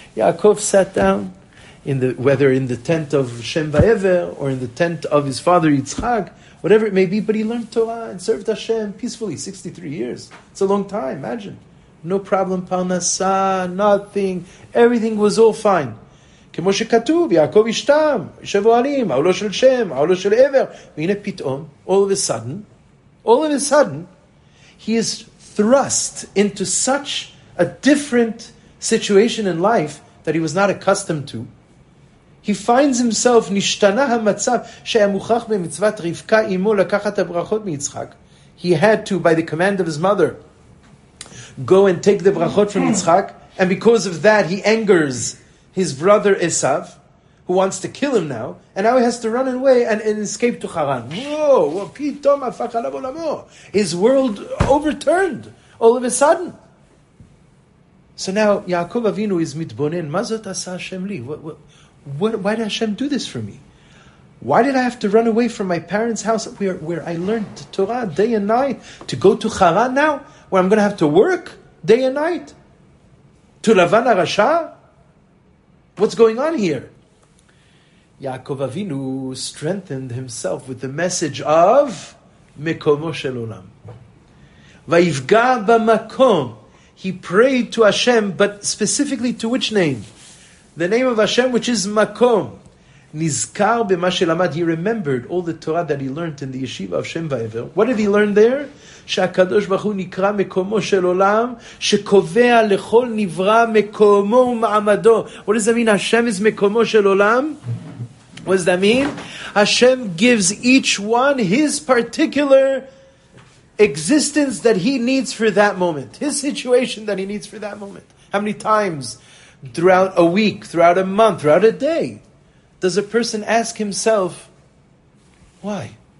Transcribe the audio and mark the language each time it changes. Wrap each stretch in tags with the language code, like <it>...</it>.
<en>Yaakov sat down, whether in the tent of Shem Vayever or in the tent of his father Yitzchak, whatever it may be, but he learned Torah and served Hashem peacefully, 63 years. It's a long time, imagine. No problem, parnasa, nothing. Everything was all fine.</en> <he>כמו שכתוב, יעקב ישתם, יושב אוהלים, העולו של שם, העולו של עבר. והנה פתאום,</he> <en>all of a sudden, he is thrust into such a different situation in life that he was not accustomed to. He finds himself,</en> <he>נשתנה המצב שהיה מוכרח במצוות רבקה אמו לקחת הברכות מיצחק.</he> <en>He had to, by the command of his mother, go and take the brachot from Yitzchak, and because of that, he angers his brother Esav, who wants to kill him now, and now he has to run away and escape to Haran. Whoa! His world overturned all of a sudden. So now Yaakov Avinu is mitbonen.</en> <he>Mazot asa Hashem li.</he> <en>Why did Hashem do this for me? Why did I have to run away from my parents' house where I learned Torah day and night to go to Haran now, where I'm going to have to work day and night? To Lavan Arasha? What's going on here? Yaakov Avinu strengthened himself with the message of Mekomo Shel Olam.</en> <he>Vayivga b'makom.</he> <en>He prayed to Hashem, but specifically to which name? The name of Hashem, which is Makom.</en> <he>Nizkar b'ma shelamad.</he> <en>He remembered all the Torah that he learned in the yeshiva of Shem Vayever. What did he learn there?</en> <he>שהקדוש ברוך הוא נקרא מקומו של עולם, שקובע לכל נברא מקומו ומעמדו.</he> <en>What does that mean? Hashem is מקומו של עולם? What does that mean? Hashem gives each one his particular existence that he needs for that moment. His situation that he needs for that moment. How many times throughout a week, throughout a month, throughout a day, does a person ask himself, why?</en>